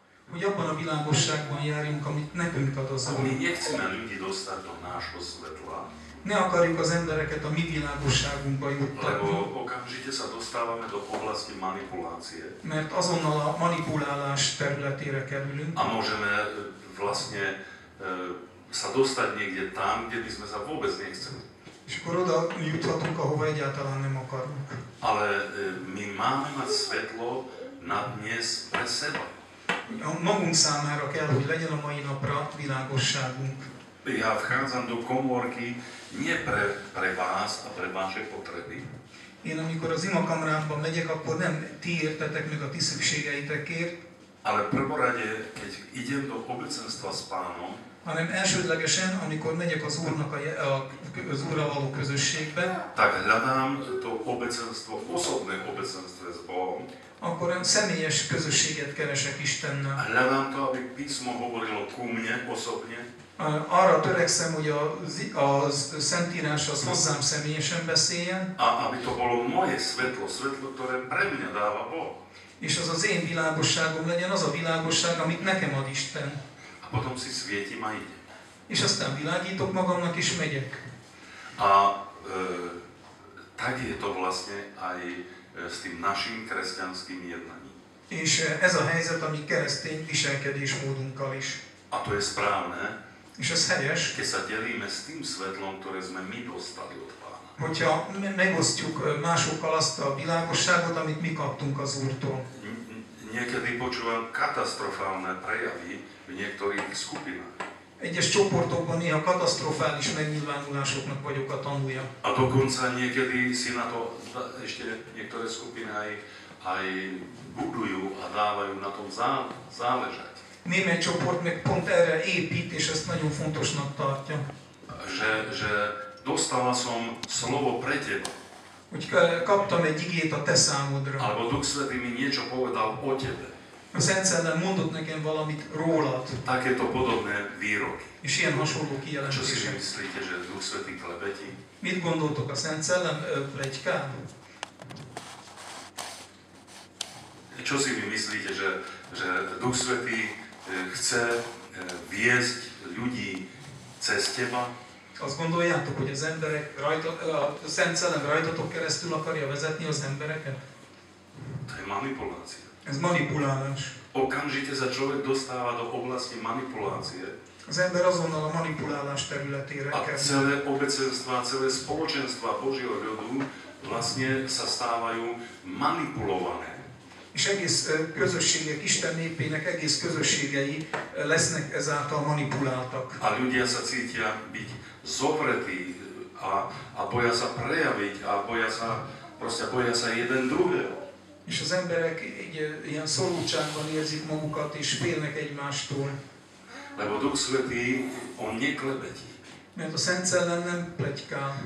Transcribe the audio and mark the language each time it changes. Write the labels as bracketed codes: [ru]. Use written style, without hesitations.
[hu] hogy abban a világosságban járjunk, amit nekünk ad az Úr. [sk] Nie chceme ľudí dostať do nášho svetla. [hu] Ne akarjuk az embereket a mi világosságunkba juttatni. [sk] Lebo okamžite sa dostávame do oblasti manipulácie. [hu] Mert azonnal a manipulálás területére kerülünk. [sk] A môžeme vlastne sa dostať niekde tam, kde by sme sa vôbec nechceli. [hu] És akkor oda juthatunk, ahova egyáltalán nem akarunk. [sk] Ale my máme mať svetlo na dnes pre seba. [hu] A magunk számára kell, hogy legyen a mai napra világosságunk. [sk] Ja vchádzam do komórky nie pre vás a pre vaše potreby. [hu] Én amikor az imakamrámban megyek, akkor nem ti értetek meg a ti szükségeitekért. [sk] Ale prvorade, keď idem do obecenstva s Pánom, [hu] hanem elsődlegesen, amikor megyek az Úrnak az Úrral való közösségbe, [sk] tak hľadám to obecenstvo, osobné obecenstvo s Bohom, [hu] akkor személyes közösséget keresek Istennel. [sk] Hľadám to, aby písmo hovorilo ku mne osobne. [hu] Arra törekszem, hogy a Szentírás az hozzám személyesen beszéljen. [sk] A aby to bolo moje svetlo, svetlo, ktoré pre mňa dáva Boh. [hu] És az az én világosságom legyen az a világosság, amit nekem ad Isten. [sk] A potom si svietim a ide. [hu] És aztán világítok magamnak is megyek. [sk] A tak je to vlastne aj s tým našim kresťanským jednaním. [hu] És ez a helyzet, ami keresztény viselkedés módunkkal is. [sk] A to je správne. [hu] És ez helyes. [sk] Keď sa delíme s tým svetlom, ktoré sme my dostali od Pána. [hu] Hogyha megosztjuk másokkal azt a világosságot, amit mi kaptunk az Úrtól. [sk] Niekedy počúvam katasztrofálne prejavy v niektorých skupinách. [hu] Egyes csoportokban néha katasztrofális megnyilvánulásoknak vagyok a tanúja. [sk] A dokonca niekedy si na to ešte niektoré skupiny aj budujú a dávajú na tom záležať. [hu] Német csoport meg pont erre épít, és ezt nagyon fontosnak tartja. [sk] Že dostala som slovo pre teba. [hu] Hogy kaptam egy igét a te számodra. [sk] Alebo Duch Svätý mi niečo povedal o tebe. [hu] A Szent Szellem mondott nekem valamit rólad. [sk] Takéto podobné výroky. [hu] És ilyen hasonló kijelentések. [sk] Čo si myslíte, že Duch Svätý klebetí? [hu] Mit gondoltok a Szent Szellem pletykál? [sk] Čo si vy myslíte, že Duch Svätý chce viesť ľudí cez teba? [hu] Azt gondoljátok, hogy az emberek rajta, a Szent Szellem rajtatok keresztül akarja vezetni az embereket? [sk] To je manipulácia. [hu] Ez manipulálás. [sk] Okamžite sa človek dostáva do oblasti manipulácie. [hu] Az ember azonnal a manipulálás területére kerül. [sk] A celé obecenstva, celé spoločenstva Božieho ľudu vlastne sa stávajú manipulované. [hu] És egész közösségek, Isten népének egész közösségei lesznek ezáltal manipuláltak. [sk] A ľudia sa cítia byť zovretí a boja sa prejaviť a boja sa, proste boja sa jeden druhého. [hu] És az emberek egy ilyen szorultságban érzik magukat és félnek egymástól. [sk] Lebo Duch Svätý, on neklebetí. [hu] Mert a Szent Szellem nem pletyká.